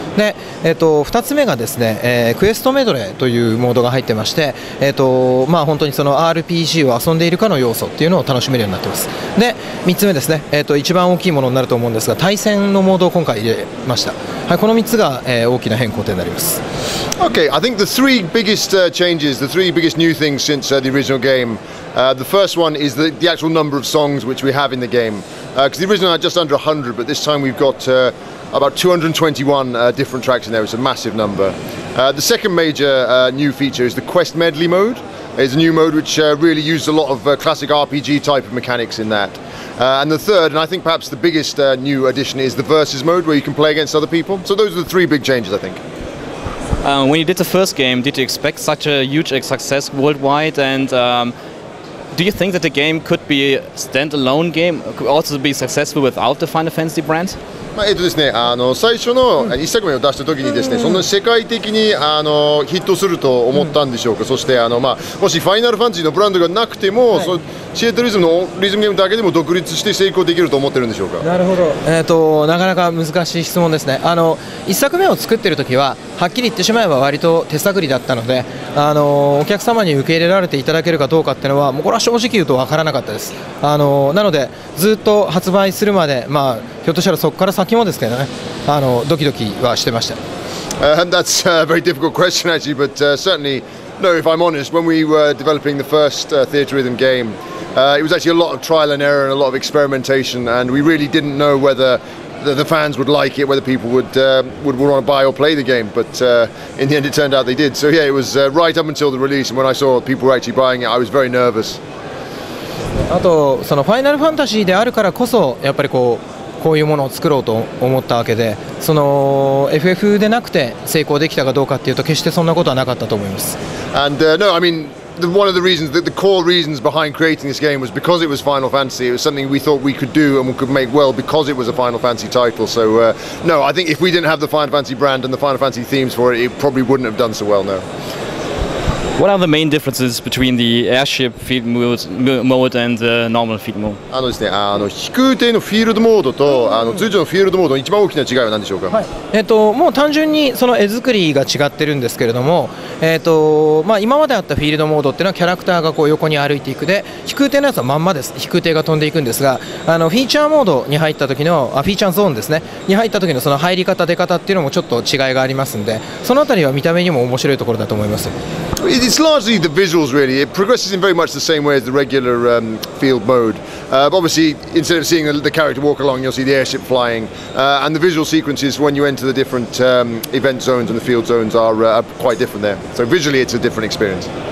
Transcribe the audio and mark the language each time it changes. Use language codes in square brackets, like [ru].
[ja] で、2つ目がですね、クエストメドレーというモードが入ってまして、本当にその RPG を遊んでいるかの要素っていうのを楽しめるようになってます。で、3つ目ですね、一番大きいものになると思うんですが、対戦のモードを今回入れました。はい、この3つが、大きな変更点になります。 [en] Okay, I think the three biggest changes, the three biggest new things since the original game. The first one is the actual number of songs which we have in the game. Because the original had just under 100, but this time we've got about 221 different tracks in there. It's a massive number. The second major new feature is the quest medley mode. It's a new mode which really used a lot of classic RPG type of mechanics in that. And the third, and I think perhaps the biggest new addition, is the versus mode where you can play against other people. So those are the three big changes, I think. When you did the first game, did you expect such a huge success worldwide? And do you think that the game could be a standalone game, could also be successful without the Final Fantasy brand? [ja] ですね、最初の1作目を出したときにですね、そんな世界的にヒットすると思ったんでしょうか、そしてもしファイナルファンタジーのブランドがなくても、はい、シアトリズムのリズムゲームだけでも独立して成功できると思ってるんでしょうか。なるほど、なかなか難しい質問ですね。1作目を作ってるときは、はっきり言ってしまえば割と手探りだったので、お客様に受け入れられていただけるかどうかっていうのは、もうこれは正直言うと分からなかったです。なので、ずっと発売するまで、ひょっとしたらそこから先もですけどね、ドキドキはしてました。 [en] That's a very difficult question actually, but certainly, no, if I'm honest, when we were developing the first Theatrhythm game, it was actually a lot of trial and error and a lot of experimentation, and we really didn't know whetherthe fans would like it, whether people would want to buy or play the game, but in the end it turned out they did. So yeah, it was right up until the release, and when I saw people were actually buying it, I was very nervous. [ja] あとそのファイナルファンタジーであるからこそやっぱりこういうものを作ろうと思ったわけで、その FF でなくて成功できたかどうかっていうと、決してそんなことはなかったと思います。 [en] And no, I mean, one of the reasons, the core reasons behind creating this game was because it was Final Fantasy. It was something we thought we could do and we could make well because it was a Final Fantasy title. So, no, I think if we didn't have the Final Fantasy brand and the Final Fantasy themes for it, it probably wouldn't have done so well, no. What are the main differences between the airship field mode and the normal field mode? [ja] ですね、飛空艇のフィールドモードと通常のフィールドモードの一番大きな違いは何でしょうか。はい、もう単純にその絵作りが違ってるんですけれども、今まであったフィールドモードっていうのはキャラクターがこう横に歩いていく、で飛空艇のやつはまんまです。飛空艇が飛んでいくんですが、フィーチャーモードに入った時のフィーチャーゾーンですねに入った時のその入り方出方っていうのもちょっと違いがありますんで、そのあたりは見た目にも面白いところだと思います。 [en] It's largely the visuals really. It progresses in very much the same way as the regular field mode. Obviously, instead of seeing the character walk along, you'll see the airship flying. And the visual sequences when you enter the different event zones and the field zones are quite different there. So visually, it's a different experience.